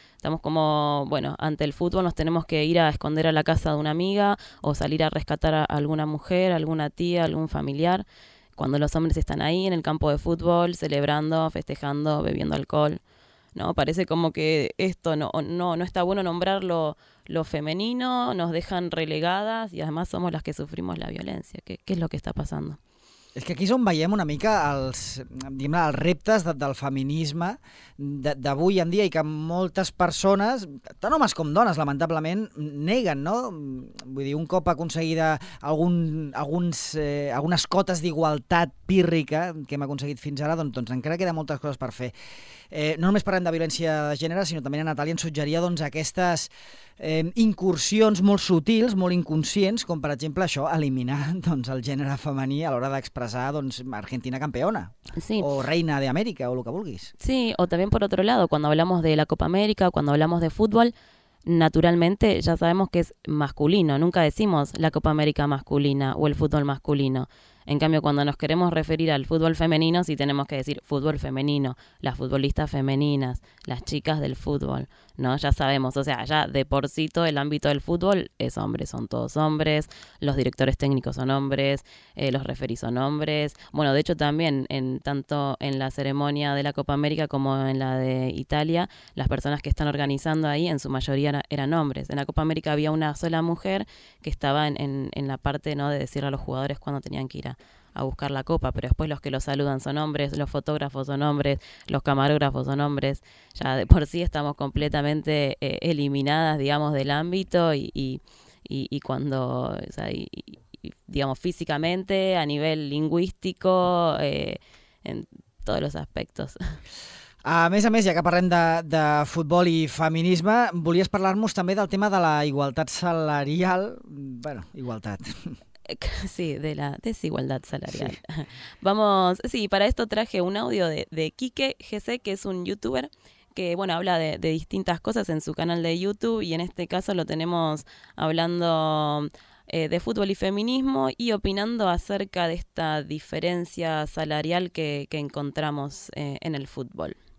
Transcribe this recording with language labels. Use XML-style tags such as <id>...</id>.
<es>Estamos como, bueno, ante el fútbol nos tenemos que ir a esconder a la casa de una amiga o salir a rescatar a alguna mujer, alguna tía, algún familiar, cuando los hombres están ahí en el campo de fútbol, celebrando, festejando, bebiendo alcohol. No, parece como que esto no está bueno nombrarlo lo femenino, nos dejan relegadas y además somos las que sufrimos la violencia. ¿Qué es lo que está pasando?</es> <ca>És que aquí és on veiem una mica els reptes del feminisme d'avui en dia i que moltes persones, tant homes com dones, lamentablement, neguen, no? Vull dir, un cop aconseguida algunes cotes d'igualtat pírrica que hem aconseguit fins ara, doncs encara queden moltes coses per fer. No només parlem de violència de gènere, sinó també a Natàlia ens suggeria doncs, aquestes incursions molt sutils, molt inconscients, com per exemple això, eliminar doncs, el gènere femení a l'hora d'expressar doncs,</ca> <es>Argentina campeona,</es> <ca>sí. O reina d'Amèrica o el que vulguis.</ca> <es>Sí,</es> <ca>o també per altre</ca> <es>lado, quan hablamos de la Copa América, quan hablamos de futbol, naturalmente ya sabemos que es masculino, nunca decimos la Copa América masculina o el fútbol masculino. En cambio, cuando nos queremos referir al fútbol femenino, sí tenemos que decir fútbol femenino, las futbolistas femeninas, las chicas del fútbol, ¿no? Ya sabemos, o sea, ya de por sí todo el ámbito del fútbol es hombre, son todos hombres, los directores técnicos son hombres, los referees son hombres. Bueno, de hecho también, tanto en la ceremonia de la Copa América como en la de Italia, las personas que están organizando ahí en su mayoría eran hombres. En la Copa América había una sola mujer que estaba en la parte, ¿no?, de decirle a los jugadores cuándo tenían que ir a buscar la copa, pero después los que lo saludan son hombres, los fotógrafos son hombres, los camarógrafos son hombres, ya de por sí estamos completamente eliminadas, digamos, del ámbito y cuando, o sea, y, digamos, físicamente, a nivel lingüístico, en todos los aspectos.</es> <ca>A més, ja que parlem de futbol i feminisme, volies parlar-nos també del tema de la igualtat salarial. Bueno, igualtat.</ca> <es>Sí, de la desigualdad salarial. Sí. Vamos, sí, para esto traje un audio de Quique GC, que es un youtuber que, bueno, habla de distintas cosas en su canal de YouTube, y en este caso lo tenemos hablando de fútbol y feminismo y opinando acerca de esta diferencia salarial que encontramos en el fútbol.</es>